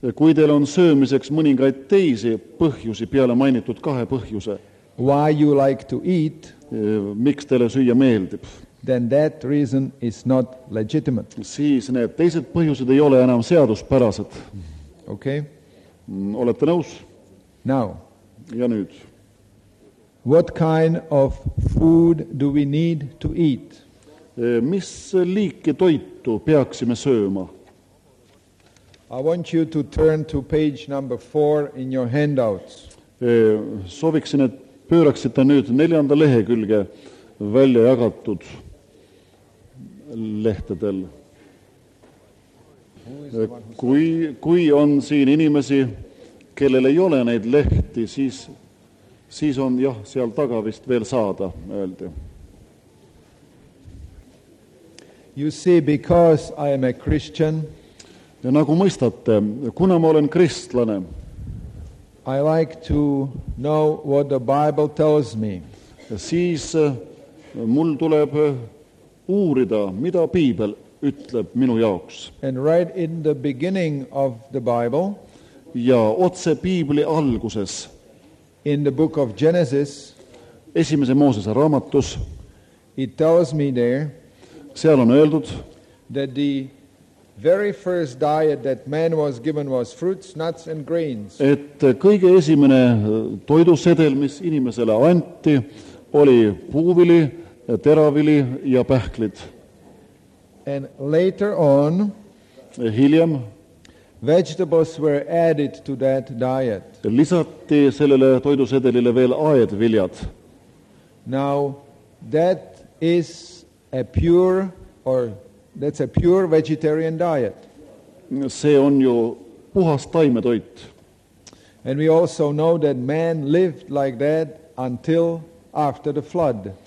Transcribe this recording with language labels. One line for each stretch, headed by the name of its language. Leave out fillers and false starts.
Estonian: kui teil on söömiseks mõningaid teisi põhjusi peale mainitud kahe põhjuse,
English: why you like to eat,
Estonian: miks teile süüa meeldib,
English: then that reason is not legitimate.
Estonian: Siis need teised põhjused ei ole enam seaduspärased.
English: Okay.
Estonian: Olete nõus?
English: Now.
Estonian: Ja nüüd.
English: What kind of food do we need to eat?
Estonian: Mis liiki toitu peaksime sööma?
English: I want you to turn to page number 4 in your handouts.
Estonian: Sooviksin, et pööraksite nüüd neljanda lehekülge välja jagatud lehtedel. Kui on siin inimesi, kellel ei ole neid lehti, siis on jah, seal taga vist veel saada, öeldi.
English: You see, because I am a Christian,
Estonian: ja nagu mõistate, kuna ma olen kristlane,
English: I like to know what the Bible tells me.
Estonian: Siis mul tuleb uurida, mida Piibel ütleb minu jaoks.
English: And right in the beginning of the Bible,
Estonian: ja otse Piibli alguses,
English: in the book of Genesis,
Estonian: esimese Moosese raamatus,
English: it tells me there,
Estonian: seal on öeldud,
English: that the very first diet that man was given was fruits, nuts and grains.
Estonian: Et kõige esimene toidusedel, mis inimesele anti, oli puuvili, teravili ja pähklid.
English: And later on,
Estonian: hiljem,
English: Vegetables were added to that diet.
Estonian: Lisätti sellele toidusedelile vielä aedviljat.
English: Now that is a pure or that's a pure vegetarian diet.
Estonian: Se on jo puhas taimetoit.
English: And we also know that man lived like that until after the flood.